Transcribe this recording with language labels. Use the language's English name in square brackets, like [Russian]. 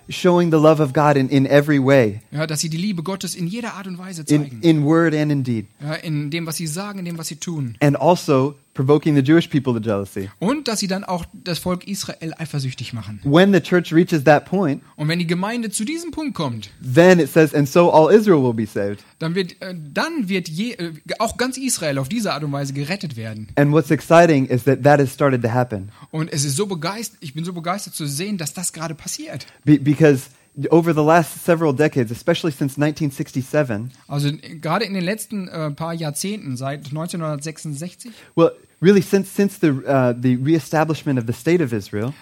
[English] Showing the love of God in every way. [German] Ja, dass sie die Liebe Gottes in jeder Art und Weise zeigen. [English] In word and in deed. [German] Ja, in dem, was sie sagen, in dem, was sie tun. [English] And also provoking the Jewish people to jealousy. [German] Und dass sie dann auch das Volk Israel eifersüchtig machen. [English] When the church reaches that point, [German] und wenn die Gemeinde zu diesem Punkt kommt, [English] then it says, and so all Israel will be saved. [German] Dann wird auch ganz Israel auf diese Art und Weise gerettet werden. [English] And what's exciting is that has started to happen. [German] Und es ist so begeistert. Ich bin so begeistert zu sehen, dass das gerade passiert. [English] Because over the last several decades, especially since 1967. [German] Also gerade in den letzten paar Jahrzehnten seit 1966. [English] Well, really since the reestablishment of the state of Israel.